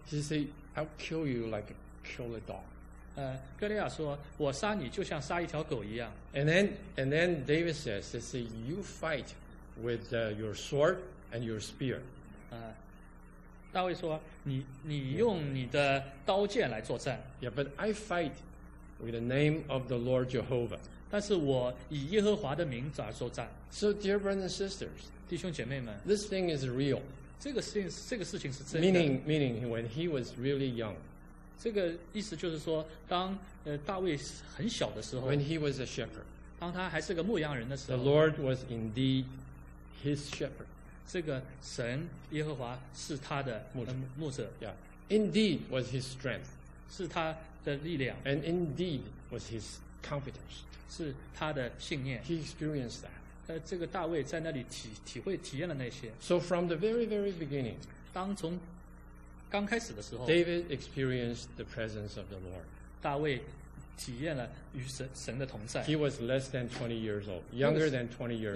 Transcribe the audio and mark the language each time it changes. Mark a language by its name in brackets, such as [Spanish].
[English] He said, "I'll kill you like kill a dog." [Chinese] 哥利亚说，我杀你就像杀一条狗一样。 [English] And then David says, "You fight with your sword and your spear." [Chinese] 大卫说，你用你的刀剑来作战。 [English] Yeah, but I fight with the name of the Lord Jehovah. [Chinese] 但是我以耶和华的名来作战。 [English] So, dear brothers and sisters, [Chinese] 弟兄姐妹们 [English] ，this thing is real. [Chinese] 这个事情是真的。 [English] Meaning when he was really young. [Chinese] 这个意思就是说，当大卫很小的时候 [English] ，When he was a shepherd， [Chinese] 当他还是个牧羊人的时候 [English] ，The Lord was indeed his shepherd。 [Chinese] 这个神耶和华是他的牧者。 [English] Yeah， indeed was his strength， [Chinese] 是他的力量。 [English] And indeed was his confidence， [Chinese] 是他的信念。 [English] He experienced that。 [Chinese] 这个大卫在那里体验了那些。 [English] So from the very very beginning， [Chinese] 当从刚开始的时候 [English] ，David experienced the presence of the Lord. [Chinese] 大卫体验了与神的同在。 [English] He was less than 20 years old, younger than 20 years old.